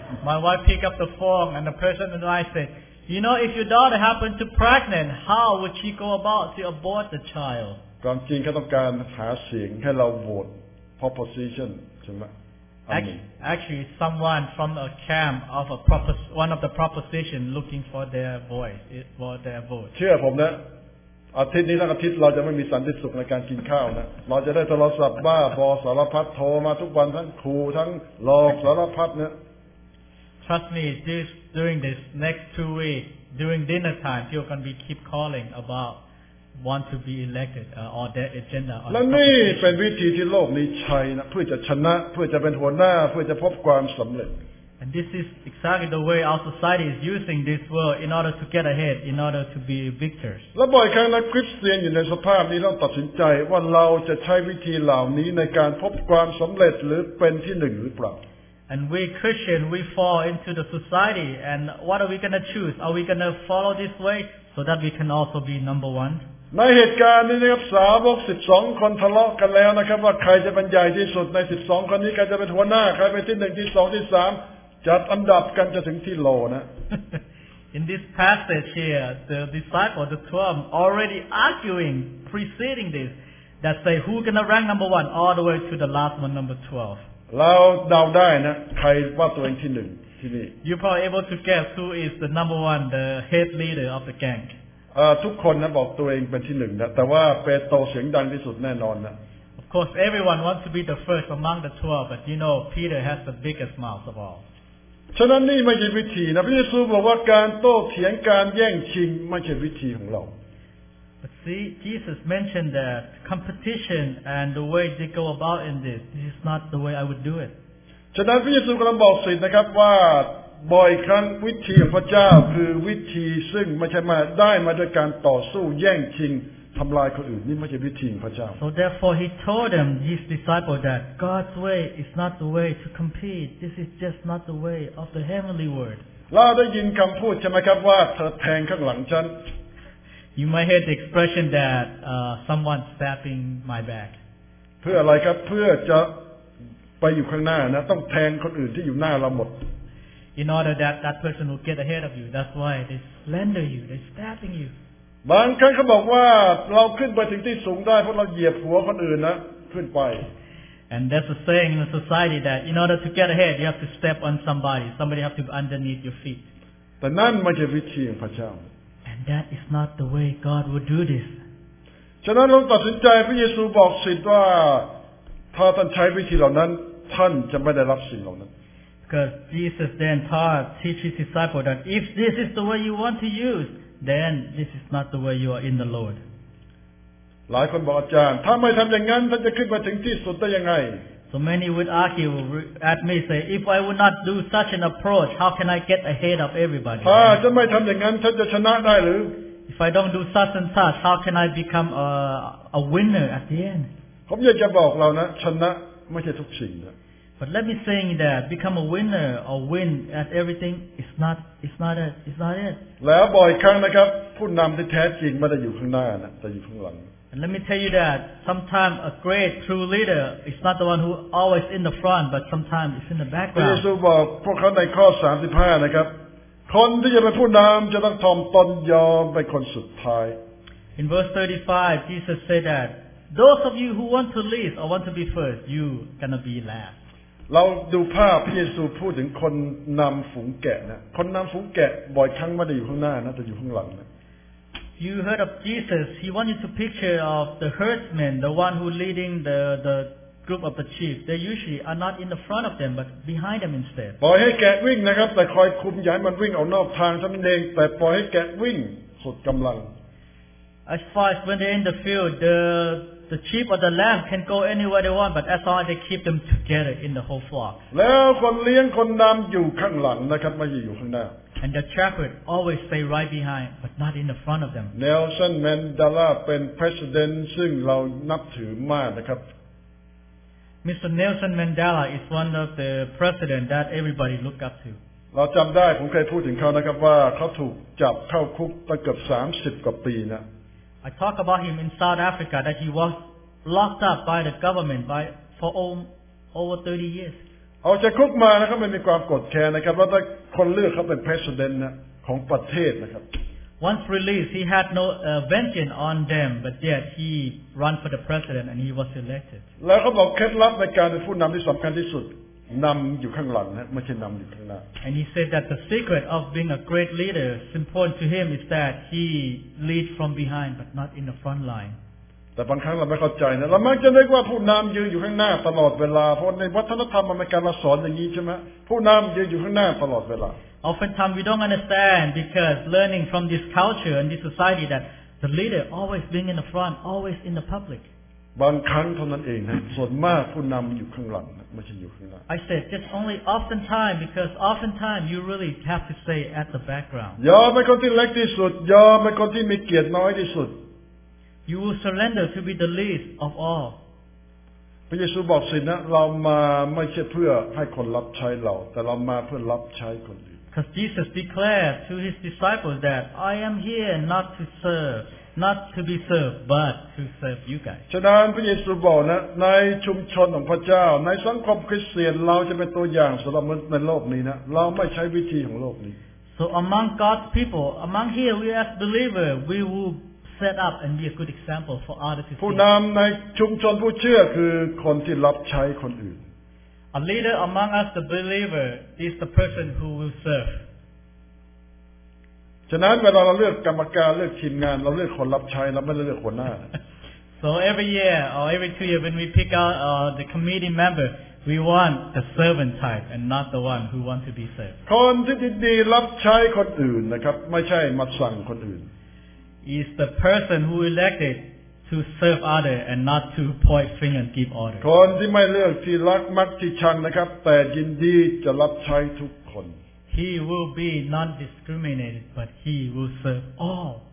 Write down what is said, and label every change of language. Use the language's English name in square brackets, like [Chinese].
[English] My wife picked up the phone and the person and I said, you know, if your daughter happened to pregnant, how would she go about to abort the child? [Thai] ความจริงเขาต้องการหาเสียงให้เราโหวต proposition ใช่ไหม [English] Actually, someone from a camp of a one of the proposition looking for their voice for their vote [Thai] เชื่อผมนะอาทิตย์นี้ทั้งอาทิตย์เราจะไม่มีสันติสุขในการกินข้าวนะเราจะได้โทรศัพท์บ้าบอสารพัดโทรมาทุกวันทั้งครูทั้งหลอกสารพัดเนี่ย [English] Trust me, this during this next 2 weeks during dinner time, you're going to be keep calling aboutwant to be elected or their agenda [Thai] และนี่เป็นวิธีที่โลกนี้ใช้นะเพื่อจะชนะเพื่อจะเป็นหัวหน้าเพื่อจะพบความสำเร็จ [English] and this is exactly the way our society is using this world in order to get ahead in order to be victors [Thai] และบ่อยครั้งนะคริสเตียนอยู่ในสภาพนี้ต้องตัดสินใจว่าเราจะใช้วิธีเหล่านี้ในการพบความสำเร็จหรือเป็นที่หนึ่งหรือเปล่า [English] and we Christian we fall into the society and what are we going to choose are we going to follow this way so that we can also be number one [Thai] ในเหตุการณ์นี้นะครับสาวก12คนทะเลาะกันแล้วนะครับว่าใครจะเป็นใหญ่ที่สุดใน12คนนี้ใครจะเป็นหัวหน้าใครเป็นที่1ที่2ที่3จัดอันดับกันจะถึงที่โลนะ [English] In this passage here the disciples the 12 already arguing preceding this that say who gonna rank number 1 all the way to the last one number 12 [Thai] แล้วเดาได้นะใครว่าตัวเองที่1ที่นี่ [English] You probably able to guess who is the number 1 the head leader of the gang [Thai] ทุกคนนะบอกตัวเองเป็นที่หนึ่งนะแต่ว่าเปโตรเสียงดังที่สุดแน่นอนนะ [English] Of course everyone wants to be the first among the 12 but you know Peter has the biggest mouth of all [Thai] ฉะนั้นนี่ไม่ใช่วิธีนะพระเยซูบอกว่าการโต้เถียงการแย่งชิงไม่ใช่วิธีของเรา [English] But see Jesus mentioned that competition and the way they go about in this is not the way I would do it [Thai] ฉะนั้นพระเยซูกำลังบอกสิทธิ์นะครับว่าบ่อยครั้งวิธีของพระเจ้าคือวิธีซึ่งไม่ใช่มาได้มาโดยการต่อสู้แย่งชิงทำลายคนอื่นนี่ไม่ใช่วิธีของพระเจ้า [English] So therefore he told them his disciples that God's way is not the way to compete this is just not the way of the heavenly word [Thai] เราได้ยินคำพูดใช่ไหมครับว่าเธอแทงข้างหลังฉัน [English] You might hear the expression that someone stabbing my back [Thai] เพื่ออะไรครับเพื่อจะไปอยู่ข้างหน้านะต้องแทงคนอื่นที่อยู่หน้าเราหมด [English] in order that person will get ahead of you that's why they slander you they're stabbing you [Thai] บางครั้งเขาบอกว่าเราขึ้นไปถึงที่สูงได้เพราะเราเหยียบหัวคนอื่นนะขึ้นไป [English] and there's a saying in the society that in order to get ahead you have to step on somebody have to be underneath your feet [Thai] แต่นั่นไม่ใช่วิธีของพระเจ้า [English] and that is not the way God would do this [Thai] ฉะนั้นเราตัดสินใจพระเยซูบอกสิทธิ์ว่าถ้าท่านใช้วิธีเหล่านั้นท่านจะไม่ได้รับสิ่งเหล่านั้น [English] Because Jesus then teaches his disciples that if this is the way you want to use, then this is not the way you are in the Lord. [Thai] หลายคนบอกอาจารย์ถ้าไม่ทำอย่างนั้นท่านจะขึ้นมาถึงที่สุดได้ยังไง [English] So many would argue at me say, if I would not do such an approach, how can I get ahead of everybody? [Thai] ถ้าจะไม่ทำอย่างนั้นท่านจะชนะได้หรือ [English] If I don't do such and such, how can I become a winner at the end? [Thai] ผมอยากจะบอกเรานะชนะไม่ใช่ทุกสิ่งนะ [English] But let me say that become a winner or win at everything is not it. [Thai] แล้วบ่อยครั้งนะครับผู้นำที่แท้จริงไม่ได้อยู่ข้างหน้านะแต่อยู่ข้างหลัง [English] And let me tell you that sometimes a great true leader is not the one who always in the front but sometimes is in the background. [Thai] พระเยซูบอกพวกเขาในข้อ35นะครับคนที่จะเป็นผู้นำจะต้องถ่อมตนยอมเป็นคนสุดท้าย [English] In verse 35 Jesus said that those of you who want to lead or want to be first you gonna be last. [Thai] เราดูภาพพระเยซูพูดถึงคนนำฝูงแกะนะคนนำฝูงแกะบ่อยครั้งไม่ได้อยู่ข้างหน้านะแต่อยู่ข้างหลังนะ [English] you heard of Jesus, he wanted to picture of the herdsmen, the one who leading the group of the sheep. They usually are not in the front of them, but behind them instead. [Thai] ปล่อยให้แกะวิ่งนะครับแต่คอยคุมอย่าให้มันวิ่งออกนอกทางท่านเองแต่ปล่อยให้แกะวิ่งสุดกำลัง [English] As far as when they're in the field, the sheep or the lamb can go anywhere they want, but as long as they keep them together in the whole flock. [Thai] แล้วคนเลี้ยงคนนำอยู่ข้างหลังนะครับไม่อยู่ข้างหน้า [English] And the shepherd always stay right behind, but not in the front of them. [Thai] Nelson Mandela เป็น president ซึ่งเรานับถือมากนะครับ [English] Mr. Nelson Mandela is one of the president that everybody look up to. [Thai] เราจำได้ผมเคยพูดถึงเขานะครับว่าเขาถูกจับเข้าคุกตั้งเกือบ30กว่าปีนะ [English] I talk about him in South Africa that he was locked up by the government for over 30 years. [Thai] เอาจากคุกมานะครับไม่มีความกดแค้นนะครับว่าถ้าคนเลือกเขาเป็น president นะของประเทศนะครับ [English] Once released, he had no vengeance on them, but yet he ran for the president and he was elected. [Thai] แล้วเขาบอกเคล็ดลับในการเป็นผู้นำที่สำคัญที่สุดนำอยู่ข้างหลังนะไม่ใช่นำอยู่ข้างหน้า [English] And he said that the secret of being a great leader is important to him is that he leads from behind but not in the front line [Thai] แต่บางครั้งเราไม่เข้าใจนะเรามักจะนึกว่าผู้นำยืนอยู่ข้างหน้าตลอดเวลาเพราะในวัฒนธรรมอเมริกันเราสอนอย่างนี้ใช่ไหมผู้นำยืนอยู่ข้างหน้าตลอดเวลา [English] Oftentimes we don't understand because learning from this culture and this society that the leader always being in the front always in the public [Thai] บางครั้งเท่านั้นเองนะส่วนมากผู้นำอยู่ข้างหลังไม่ใช่อยู่ข้างหน้า [English] I said just only often time because often time you really have to stay at the background [Thai] ยอมเป็นคนที่เล็กที่สุดยอมเป็นคนที่มีเกียรติน้อยที่สุด [English] You will surrender to be the least of all [Thai] พระเยซูบอกสินะเรามาไม่ใช่เพื่อให้คนรับใช้เราแต่เรามาเพื่อรับใช้คนอื่น [English] Because Jesus declared to his disciples that I am here not to serveNot to be served, but to serve you guys. [Thai] ฉะนั้นพระเยซูบอกนะในชุมชนของพระเจ้าในสังคมคริสเตียนเราจะเป็นตัวอย่างสำหรับในโลกนี้นะเราไม่ใช้วิธีของโลกนี้ [English] So among God's people, among here we as believers, we will set up and be a good example for others to see. [Thai] ผู้นำในชุมชนผู้เชื่อคือคนที่รับใช้คนอื่น [English] A leader among us, the believer, is the person who will serve. [Thai] ฉะนั้นเวลาเราเลือกกรรมการเลือกทีมงานเราเลือกคนรับใช้เราไม่เลือกหัวหน้า [English] So every year or every 2 years when we pick out the committee member we want the servant type and not the one who want to be served [Thai] คนที่ดีรับใช้คนอื่นนะครับไม่ใช่มาสั่งคนอื่น [English] is the person who elected to serve other and not to point finger and give order [Thai] คนที่ไม่เลือกที่รักมักที่ชังนะครับแต่ยินดีจะรับใช้ทุกคน [English] He will be non-discriminated, but he will serve all.